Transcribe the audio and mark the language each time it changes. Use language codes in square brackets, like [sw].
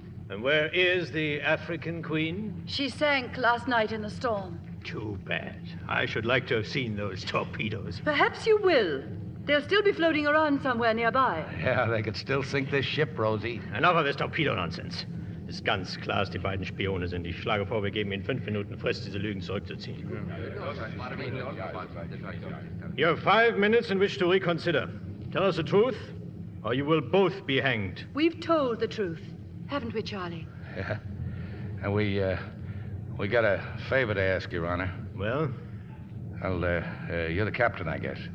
[en] And where is the African Queen? She sank last night in the storm. Too bad. I should like to have seen those torpedoes. Perhaps you will. They'll still be floating around somewhere nearby. Yeah, they could still sink this ship, Rosie. Enough of this torpedo nonsense. This [de] ganz klar, die beiden Spione sind. Ich schlage vor, wir geben ihnen 5 Minuten Frist, diese Lügen zurückzuziehen. [en] You have 5 minutes in which to reconsider. Tell us the truth, or you will both be hanged. We've told the truth, haven't we, Charlie? Yeah. And we got a favor to ask, Your Honor. Well? Well, you're the captain, I guess.